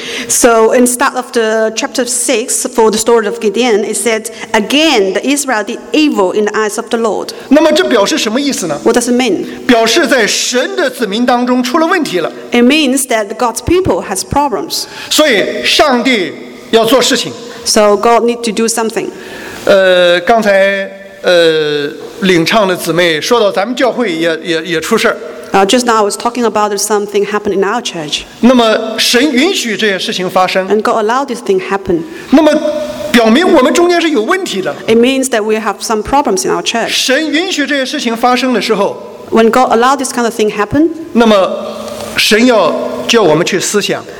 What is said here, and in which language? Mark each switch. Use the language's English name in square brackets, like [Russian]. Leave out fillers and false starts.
[English] So in start of the chapter 6 for the story of Gideon, it said again the Israel did evil in the eyes of the Lord. [Chinese] 那么这表示什么意思呢？ [English] What does it mean? [Chinese] 表示在神的子民当中出了问题了。 [English] It means that God's people has problems. [Chinese] 所以上帝要做事情。 [English] So God need to do something. [Chinese] 刚才领唱的姊妹说到咱们教会也出事。 [English] Just now I was talking about something happened in our church. [Chinese] 那么神允许这些事情发生。 [English] And God allowed this thing happen. [Chinese] 那么表明我们中间是有问题的。 [English] It means that we have some problems in our church. [Chinese] 神允许这些事情发生的时候。 [English] When God allowed this kind of thing happen. [Chinese] 那么神要叫我们去思想。